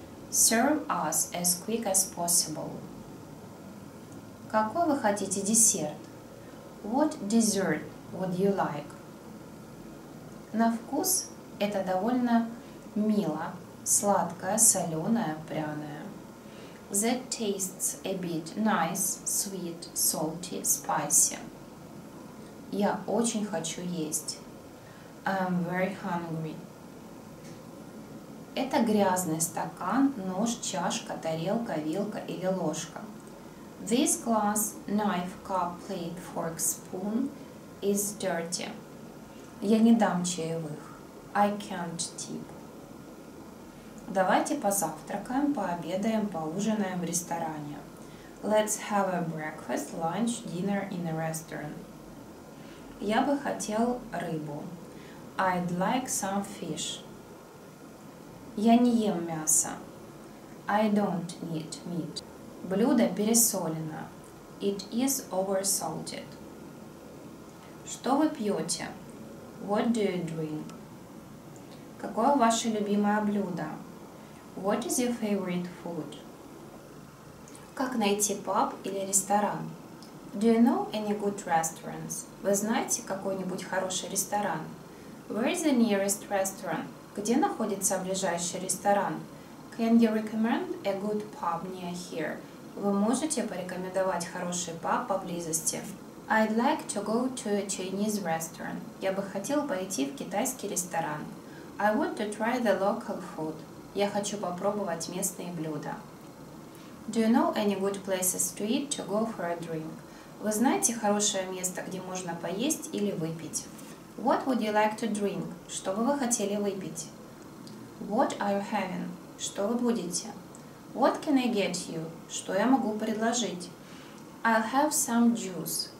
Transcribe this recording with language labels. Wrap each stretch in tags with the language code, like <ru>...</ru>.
<en>Serve us as quick as possible.</en> <ru>Какой вы хотите десерт?</ru> <en>What dessert would you like?</en> <ru>На вкус это довольно мило, сладкое, соленое, пряное.</ru> <en>That tastes a bit nice, sweet, salty, spicy.</en> <ru>Я очень хочу есть.</ru> <en>I'm very hungry.</en> <ru>Это грязный стакан, нож, чашка, тарелка, вилка или ложка.</ru> <en>This glass, knife, cup, plate, fork, spoon is dirty.</en> <ru>Я не дам чаевых.</ru> <en>I can't tip.</en> <ru>Давайте позавтракаем, пообедаем, поужинаем в ресторане.</ru> <en>Let's have a breakfast, lunch, dinner in a restaurant.</en> <ru>Я бы хотел рыбу.</ru> <en>I'd like some fish.</en> <ru>Я не ем мясо.</ru> <en>I don't eat meat.</en> <ru>Блюдо пересолено.</ru> <en>It is oversalted.</en> <ru>Что вы пьете?</ru> <en>What do you drink?</en> <ru>Какое ваше любимое блюдо?</ru> <en>What is your favorite food?</en> <ru>Как найти паб или ресторан?</ru> <en>Do you know any good restaurants?</en> <ru>Вы знаете какой-нибудь хороший ресторан?</ru> <en>Where is the nearest restaurant?</en> <ru>Где находится ближайший ресторан?</ru> <en>Can you recommend a good pub near here?</en> <ru>Вы можете порекомендовать хороший паб поблизости?</ru> <en>I'd like to go to a Chinese restaurant.</en> <ru>Я бы хотел пойти в китайский ресторан.</ru> <en>I want to try the local food.</en> <ru>Я хочу попробовать местные блюда.</ru> <en>Do you know any good places to eat to go for a drink?</en> <ru>Вы знаете хорошее место, где можно поесть или выпить?</ru> <en>What would you like to drink?</en> <ru>Что бы вы хотели выпить?</ru> <en>What are you having?</en> <ru>Что вы будете?</ru> <en>What can I get you?</en> <ru>Что я могу предложить?</ru> <en>I'll have some juice.</en>